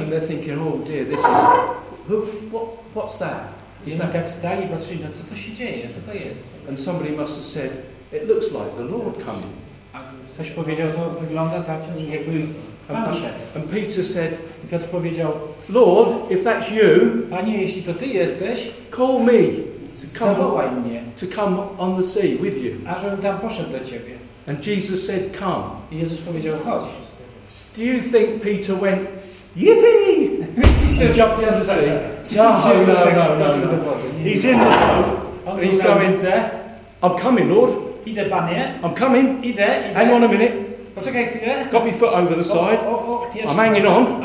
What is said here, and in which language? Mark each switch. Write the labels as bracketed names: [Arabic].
[English] And they're thinking, oh dear, this is who? What? What's that? Is that [Polish] tak stali, patrzyli, no, co to się dzieje? Co to jest? [English] And somebody must have said, it looks like the Lord coming. [Polish] Ktoś powiedział, że wygląda tak, jakby Pan szedł. [English] And Peter said, [Polish] i Piotr powiedział, [English] Lord, if that's you, [Polish] Panie, jeśli to Ty jesteś, [English] call me, [Polish] zawołaj mnie, [English] to come on the sea with you. [Polish] A żebym tam poszedł do Ciebie. [English] And Jesus said, come. [Polish] I Jezus powiedział, chodź. [English] Do you think Peter went, yippee, and jumped in the sea? No. He's in the boat. He's going there. I'm coming, Lord. [Polish] Idę, Panie. [English] I'm coming. [Polish] Idę. [English] Hang on a minute. Got my foot over the side. I'm hanging on.